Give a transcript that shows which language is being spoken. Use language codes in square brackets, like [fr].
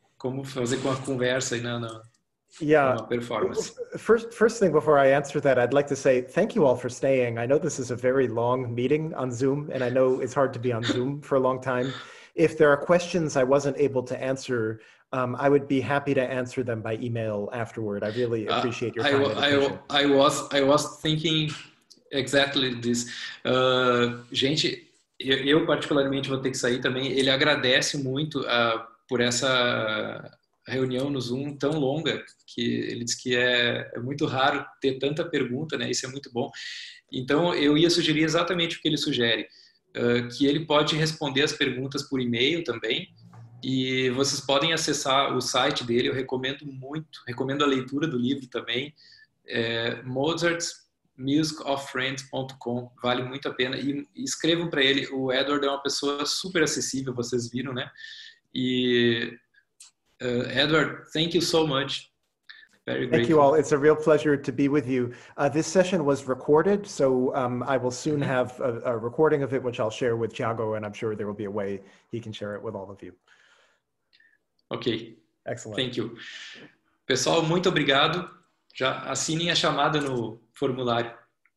[pt] Como fazer com a conversa e na performance? [en] First thing before I answer that, I'd like to say thank you all for staying. I know this is a very long meeting on Zoom, and I know it's hard to be on Zoom for a long time. If there are questions I wasn't able to answer, I would be happy to answer them by email afterward. I really appreciate your time. I was thinking exactly this. [pt] Gente, eu particularmente vou ter que sair também. Ele agradece muito por essa reunião no Zoom tão longa, que ele disse que é muito raro ter tanta pergunta, né? Isso é muito bom. Então, eu ia sugerir exatamente o que ele sugere. Que ele pode responder as perguntas por e-mail também, e vocês podem acessar o site dele, eu recomendo muito, recomendo a leitura do livro também, mozartsmusicoffriends.com, vale muito a pena, e escrevam para ele, o Edward é uma pessoa super acessível, vocês viram, né? [en] E Edward, thank you so much. Thank you all. It's a real pleasure to be with you. This session was recorded, so I will soon have a recording of it, which I'll share with Thiago, and I'm sure there will be a way he can share it with all of you. Okay. Excellent. Thank you. [pt] Pessoal, muito obrigado. Já assinem a chamada no formulário.